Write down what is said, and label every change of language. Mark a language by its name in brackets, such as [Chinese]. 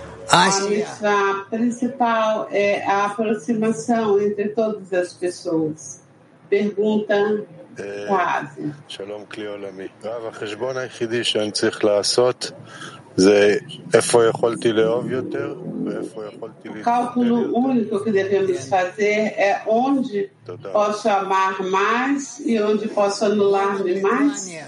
[Portuguese] A missa principal é a aproximação entre todas as pessoas. Pergunta quase. [Hebrew] Shalom Kli Olami. Rav, o חשבון היחידי שאני צריך לעשות זה איפה יכולתי לאהוב יותר ואיפה יכולתי להתקדם. [Portuguese] O cálculo único que devemos fazer é onde posso amar mais e onde posso anular mais.